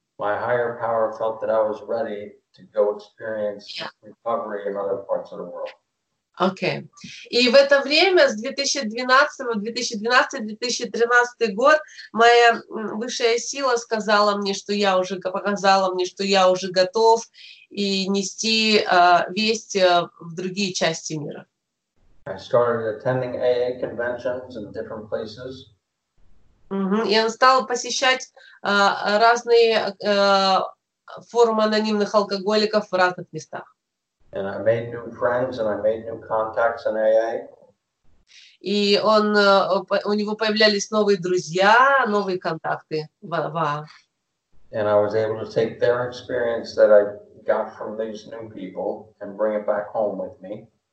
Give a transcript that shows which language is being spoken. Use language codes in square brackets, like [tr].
[en] My higher power felt that I was ready to go experience recovery in other parts of the world. Okay. [ru] И в это время, с 2012-2013 год, моя высшая сила сказала мне, что я уже показала мне, что я уже готов и нести весть в другие части мира. [en] I started attending AA conventions in different places. [ru] И он стал посещать разные форумы анонимных алкоголиков в разных местах. [en] And I made new friends and I made new contacts in AA. [ru] И он у него появлялись новые друзья, новые контакты в AA. [en] And I was able to take their experience that I got from these new people and bring it back home with me.